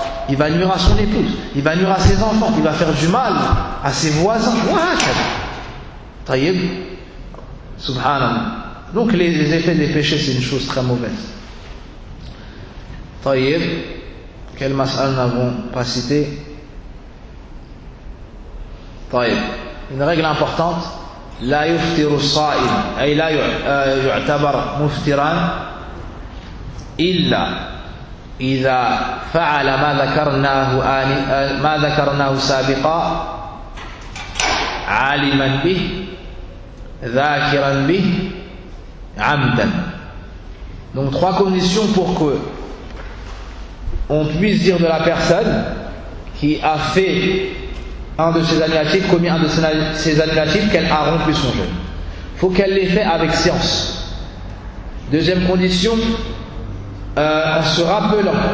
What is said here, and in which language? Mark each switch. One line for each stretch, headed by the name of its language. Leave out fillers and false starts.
French: Il va nuire à son épouse. Il va nuire à ses enfants. Il va faire du mal à ses voisins. Taïeb. Subhanallah. Donc les effets des péchés, c'est une chose très mauvaise. Taïeb. Quel mas'al n'avons pas cité? Taïeb. Une règle importante.
Arabic: لا يفطر الصائم أي لا يعتبر مفطرا إلا إذا فعل ما ذكرناه ما ذكرناه سابقا عالما به ذاكرا به عمدا.
French: Donc trois conditions pour que on puisse dire de la personne qui a fait un de ses annulatifs, commis un de ses annulatifs, qu'elle a rompu son jeûne. Il faut qu'elle l'ait fait avec science. Deuxième condition, en se rappelant.